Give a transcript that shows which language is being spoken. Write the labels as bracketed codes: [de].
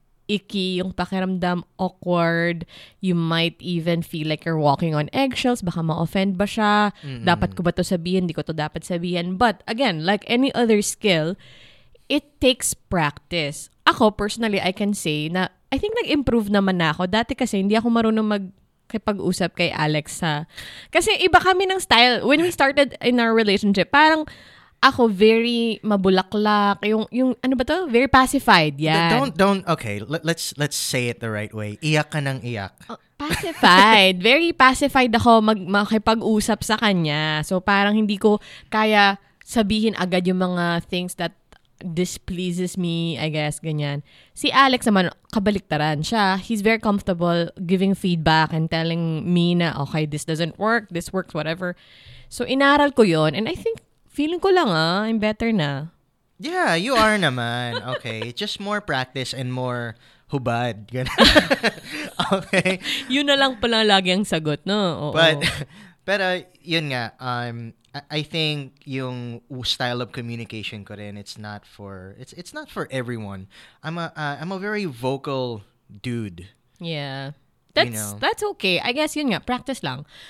[tl] icky, yung pakiramdam awkward, [en] you might even feel like you're walking on eggshells, [tl] baka ma-offend ba siya, dapat ko ba to sabihin, hindi ko to dapat sabihin. [en] But again, like any other skill, it takes practice. Ako, personally, I can say na I think nag-improve naman ako. [tl] Dati kasi hindi ako marunong magkipag-usap kay Alex sa... Kasi iba kami ng style. [en] When we started in our relationship, parang ako very mabulaklak. [tl] Yung ano ba to? Very pacified. Yeah. [en] Don't okay. Let's say it the right way. [tl] Iyak ka ng iyak. Pacified. Very pacified ako makipag-usap sa kanya. So parang hindi ko kaya sabihin agad yung mga [en] things that displeases me, [tl] I guess, ganyan. Si Alex naman, kabaliktaran siya. [en] He's very comfortable giving feedback and telling me na, okay, this doesn't work, this works, whatever. So, inaral ko yon, and I think, feeling ko lang, ah, I'm better na. Yeah, you are naman. Okay, just more practice and more hubad. Okay. [tl] Yun na lang pala lagi ang sagot, no? Oo. [en] Pero, yun nga, I think yung style of communication ko rin, it's not for everyone. I'm a very vocal dude. Yeah. That's okay. I guess yun nga, practice lang.